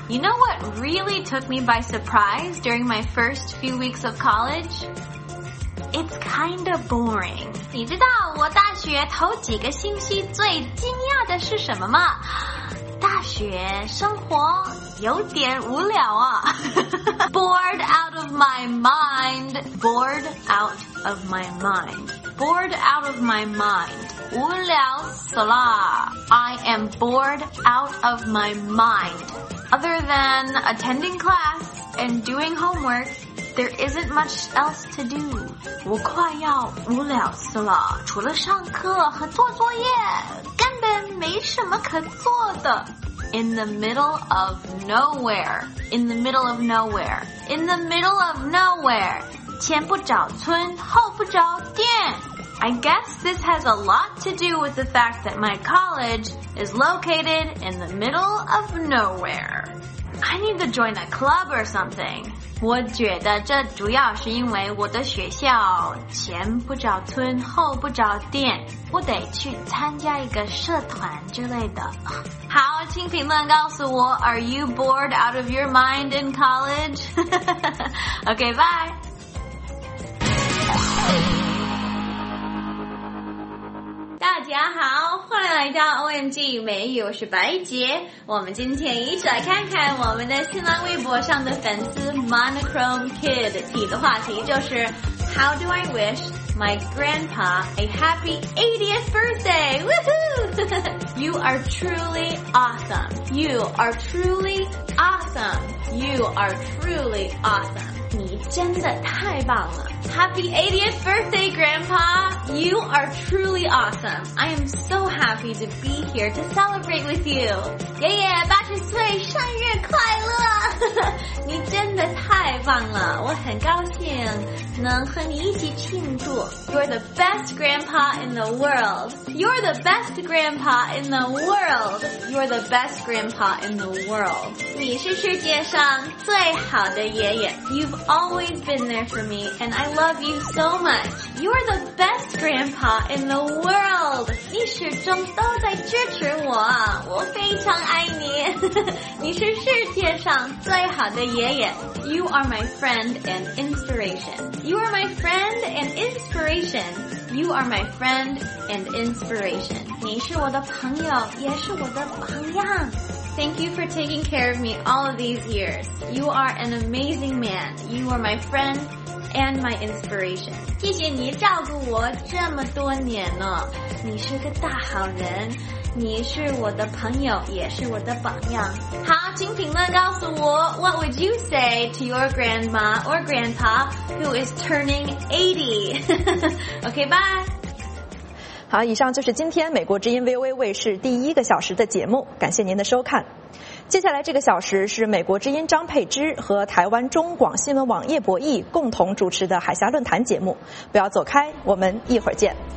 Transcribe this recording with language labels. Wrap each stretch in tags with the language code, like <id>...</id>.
<en>You know what really took me by surprise during my first few weeks of college? It's kind of boring.</en> <zh>你知道我大学头几个星期最惊讶的是什么吗？大学生活有点无聊啊。</zh> <en>Bored out of my mind. Bored out of my mind. Bored out of my mind.</en> <zh>无聊死了。</zh> <en>I am bored out of my mind. Other than attending class and doing homework, there isn't much else to do.</en> <zh>我快要无聊死了，除了上课和做作业，根本没什么可做的。</zh> <en>In the middle of nowhere. In the middle of nowhere. In the middle of nowhere.</en> <zh>前不着村，后不着店。</zh> <en>I guess this has a lot to do with the fact that my college is located in the middle of nowhere. I need to join a club or something.</en> <zh>我觉得这主要是因为我的学校前不着村，后不着店。我得去参加一个社团之类的。好，请评论告诉我</zh> <en>，Are you bored out of your mind in college? Okay, bye.</en> <zh>大家好，欢迎来到 OMG 美语，我是白洁。我们今天一起来看看我们的新浪微博上的粉丝 Monochrome Kid 提的话题，就是</zh> <en>How do I wish my grandpa a happy 80th birthday? Woohoo! You are truly awesome. You are truly awesome. You are truly awesome.</en> <zh>你真的太棒了。</zh> <en>Happy 80th birthday, Grandpa! You are truly awesome. I am so happy to be here to celebrate with you.</en> <zh>爷爷80岁生日快乐！你真的太棒了，我很高兴能和你一起庆祝。</zh> <en>You're the best grandpa in the world. You're the best grandpa in the world. You're the best grandpa in the world.</en> <zh>你是世界上最好的爷爷。</zh> <en>You've always been there for me, and I love you so much. You're the best grandpa in the world.</en> <zh>你始终都在支持我，我非常爱你。你是世界上最好的爷爷。</zh> <en>You are my friend and inspiration. You are my friend and inspiration. You are my friend and inspiration.</en> <zh>你是我的朋友，也是我的榜样。</zh> <en>Thank you for taking care of me all of these years. You are an amazing man. You are my friend and my inspiration.</en> <zh>谢谢你照顾我这么多年呢。你是个大好人。你是我的朋友，也是我的榜样。好，请评论告诉我</zh> <en>,What would you say to your grandma or grandpa who is turning 80? Okay, bye!</en> <zh>好，以上就是今天美国之音 VOA 卫视第一个小时的节目，感谢您的收看。接下来这个小时是美国之音张佩芝和台湾中广新闻网叶博弈共同主持的海峡论坛节目，不要走开，我们一会儿见。</zh>